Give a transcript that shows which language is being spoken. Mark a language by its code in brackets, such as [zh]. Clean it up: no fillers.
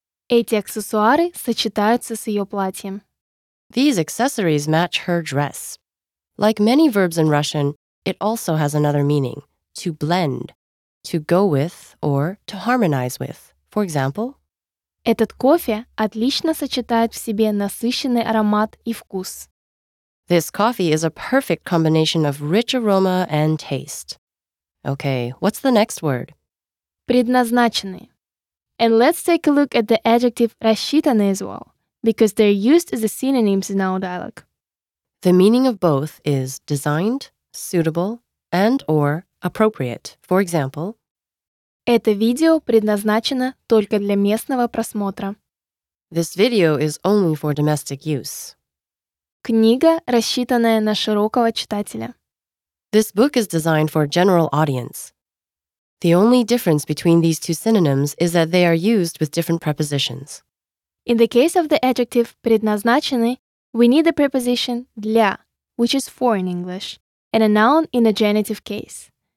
[ru] эти аксессуары сочетаются с ее платьем. [en] These accessories match her dress. Like many verbs in Russian, it also has another meaning, to blend, to go with, or to harmonize with. For example, [ru] этот кофе отлично сочетает в себе насыщенный аромат и вкус. [en] This coffee is a perfect combination of rich aroma and taste. Okay, what's the next word? [ru] Предназначенный. [en] And let's take a look at the adjective рассчитанный as well, because they're used as the synonyms in our dialogue. The meaning of both is designed, suitable, and or appropriate. For example, [ru] это видео предназначено только для местного просмотра. [en] This video is only for domestic use. [ru] Книга, рассчитанная на широкого читателя. [en] This book is designed for a general audience. The only difference between these two synonyms is that they are used with different prepositions. In the case of the adjective предназначенный, we need the preposition для, which is for in English, and a noun in the genitive case.